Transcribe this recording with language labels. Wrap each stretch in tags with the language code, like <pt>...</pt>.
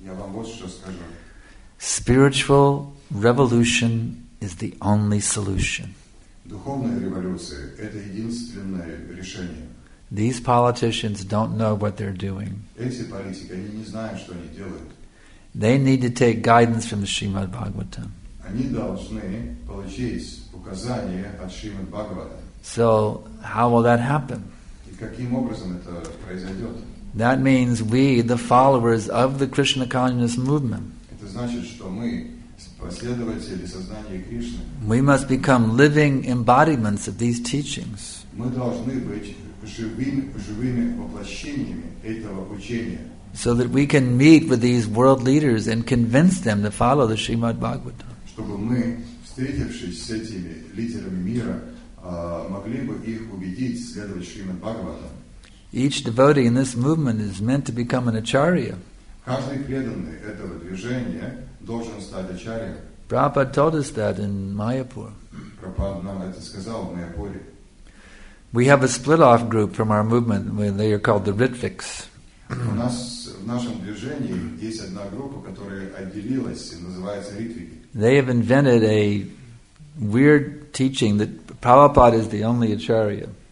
<ru>Я вам вот что скажу.</ru> <en>Spiritual revolution is the only solution.</en> <ru>Духовная революция – это единственное решение.</ru> <en>These politicians don't know what they're doing.</en> <ru>Эти политики, они не знают, что они делают.</ru> <en>They need to take guidance from the Srimad Bhagavatam.</en> <ru>Они должны получить указание от Шримад Бхагаватам.</ru> <en>So, how will that happen?</en> <ru>И каким образом это произойдет?</ru> <en>That means we, the followers of the Krishna consciousness movement,</en> <ru>это значит, что мы последователи сознания Кришны,</ru> <en>we must become living embodiments of these teachings.</en> <ru>Мы должны быть живыми воплощениями этого учения.</ru> <en>So that we can meet with these world leaders and convince them to follow the Srimad Bhagavatam.</en> <ru>Чтобы мы, встретившись с этими лидерами мира, могли бы их убедить следовать Шримад Бхагаватам.</ru> <en>Each devotee in this movement is meant to become an acharya.</en> <ru>Каждый преданный этого движения должен стать ачарьем.</ru> <en>Prabhupada told us that in Mayapur.</en> <ru>Prabhupada нам это сказал в Майяпуре.</ru> <en>We have a split-off group from our movement where they are called the Ritviks.</en> <ru>У нас в нашем движении есть одна группа, которая отделилась и называется Ритвики.</ru> <en>They have invented a weird teaching that Prabhupada is the only acharya.</en>